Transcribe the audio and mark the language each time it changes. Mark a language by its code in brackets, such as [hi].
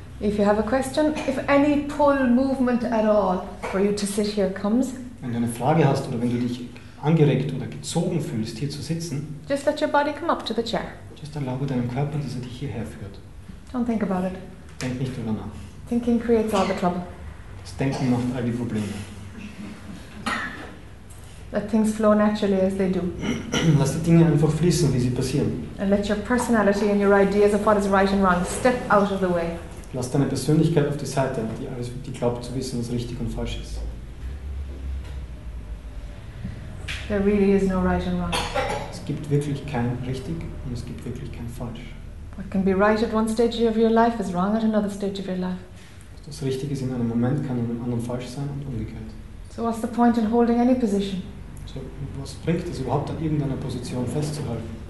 [en] If you have a question, if any pull, movement at all for you to sit here comes. [de] Wenn du eine Frage hast oder wenn du dich angeregt oder gezogen fühlst, hier zu sitzen. [en] Just let your body come up to the chair. [de] Just erlaube deinem Körper, dass er dich hierher führt. [en] Don't think about it. [de] Denk nicht drüber nach. [en] Thinking creates all the trouble. [de] Das Denken macht all die Probleme. [en] Let things flow naturally as they do. [de] Lass die Dinge einfach fließen, wie sie passieren. [en] And let your personality and your ideas of what is right and wrong step out of the way. [de] Lass deine Persönlichkeit auf die Seite, die alles, die glaubt zu wissen, was richtig und falsch ist. [en] There really is no right and wrong. [de] Es gibt wirklich kein richtig und es gibt wirklich kein falsch. [en] What can be right at one stage of your life is wrong at another stage of your life. [de] Was das Richtige ist in einem Moment, kann in einem anderen falsch sein und umgekehrt. [en] So what's the point in holding any position? [de] So, was bringt es überhaupt, an irgendeiner Position festzuhalten?